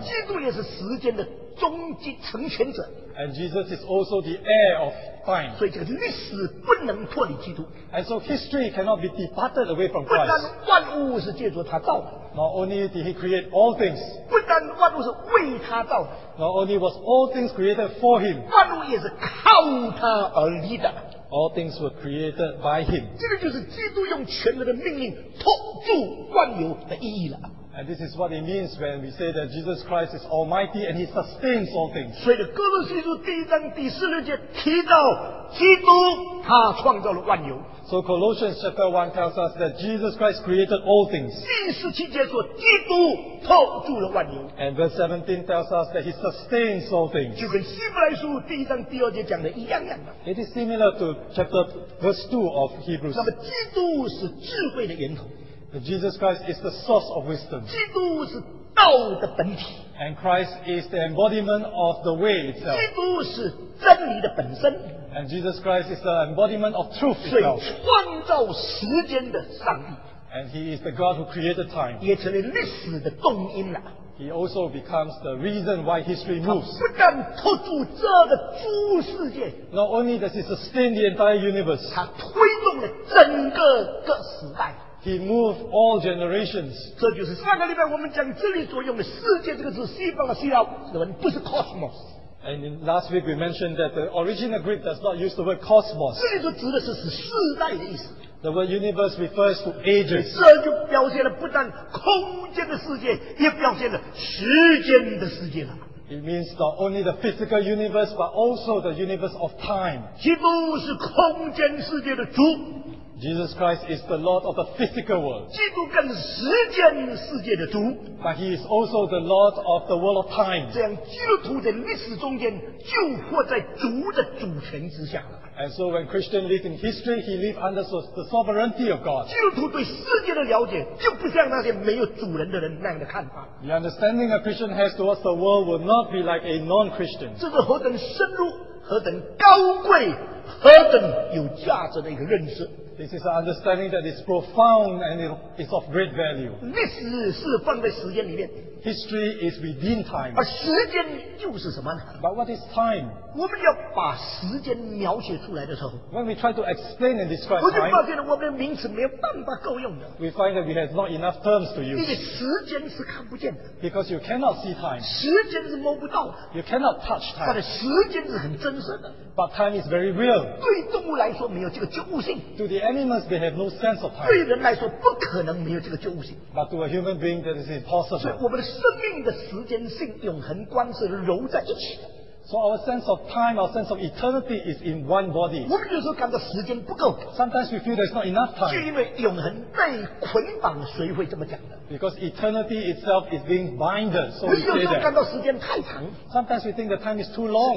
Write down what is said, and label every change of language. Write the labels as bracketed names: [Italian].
[Chinese] 基督也是时间的终极成全者。 [English] And Jesus is also the heir of time. [Chinese] 所以这个历史不能脱离基督。 [English] And so history cannot be departed away from Christ. [Chinese] 不但万物是借着他造的。 [English] Not only did he create all things. [Chinese] 不但万物是为他造的。 [English] Not only was all things created for him. [Chinese] 万物也是靠他而立的。 [English] All things were created by him. [Chinese] 这个就是基督用全能的命令托住万有的意义了。 [English] And this is what it means when we say that Jesus Christ is almighty and he sustains all things. [Chinese] 所以哥罗西书第一章第十六节提到基督他创造了万有。 [English] So Colossians chapter 1 tells us that Jesus Christ created all things. [Chinese] 第十七节说基督托住了万有。 [English] And verse 17 tells us that he sustains all things. [Chinese] 就跟希伯来书第一章第二节讲的一样样的。 [English] It is similar to chapter verse 2 of Hebrews. [Chinese] 那么基督是智慧的源头。 [English] Jesus Christ is the source of wisdom. [Chinese] 基督是道的本体。 [English] And Christ is the embodiment of the way itself. [Chinese] 基督是真理的本身。 [English] And Jesus Christ is the embodiment of truth itself. [Chinese] 所以创造时间的上帝。 [English] And he is the God who created time. [Chinese] 也成为历史的动因了。 [English] He also becomes the reason why history moves. [Chinese] 不但托住这个诸世界。 [English] Not only does he sustain the entire universe. [Chinese] 他推动了整个各时代。 [English] He moved all generations. [Chinese] 这就是上个礼拜我们讲这里所用的世界这个字，西方的希腊文不是 cosmos. [English] And in last week we mentioned that the original Greek does not use the word cosmos. [Chinese] 这里所指的是世代的意思。 [English] The word universe refers to ages. [Chinese] 这就表现了不但空间的世界，也表现了时间的世界了。 [English] It means not only the physical universe, but also the universe of time. [Chinese] 基督是空间世界的主。 [English] Jesus Christ is the Lord of the physical world. [Chinese] 基督更是时间世界的主。 [English] But he is also the Lord of the world of time. [Chinese] 这样基督徒在历史中间就活在主的主权之下了。 [English] And so when Christian lives in history, he lives under the sovereignty of God. [Chinese] 基督徒对世界的了解就不像那些没有主人的人那样的看法。 [English] The understanding a Christian has towards the world will not be like a non-Christian. [Chinese] 这是何等深入、何等高贵、何等有价值的一个认识。 [English] This is an understanding that is profound and is of great value. [Chinese] 历史是放在时间里面。 [English] History is within time. [Chinese] 而时间就是什么呢？ [English] But what is time? [Chinese] 我们要把时间描写出来的时候， [English] When we try to explain and describe [Chinese] time, 我就发现了我们的名词没有办法够用的。 [English] We find that we have not enough terms to use. [Chinese] 因为时间是看不见的。 [English] Because you cannot see time. [Chinese] 时间是摸不到的。 [English] You cannot touch time. [Chinese] 但是时间是很真实的。 [English] But time is very real. [Chinese] 对动物来说没有这个觉悟性。 [English] To the animals, they have no sense of time. [Chinese] 对人来说不可能没有这个觉悟性。 [English] But to a human being, that is impossible. [Chinese] 所以我们的生命的时间性、永恒观是揉在一起的。 [English] So our sense of time, our sense of eternity is in one body. [Chinese] 我们有时候感到时间不够。 [English] Sometimes we feel there's not enough time. [Chinese] 是因为永恒被捆绑，谁会这么讲的？ [English] Because eternity itself is being binded, so we say that. [Chinese] 有时候感到时间太长。 [English] Sometimes we think the time is too long.